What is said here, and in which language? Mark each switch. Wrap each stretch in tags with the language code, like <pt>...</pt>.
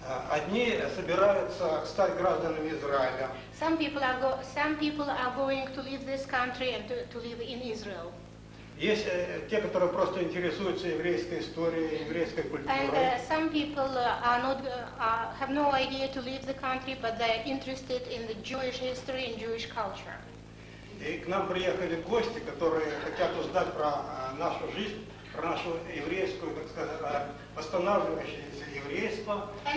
<ru>Одни собираются стать гражданами Израиля.</ru> <en>Some people are going to leave this country and to live in Israel.</en> <ru>Есть те, которые просто интересуются еврейской историей, еврейской культурой.</ru> <en>And some people are not have no idea to leave the country, but they are interested in the Jewish history and Jewish culture.</en> <ru>И к нам приехали гости, которые хотят узнать про нашу жизнь, про нашу еврейскую, так сказать, восстанавливающееся еврейство.</ru>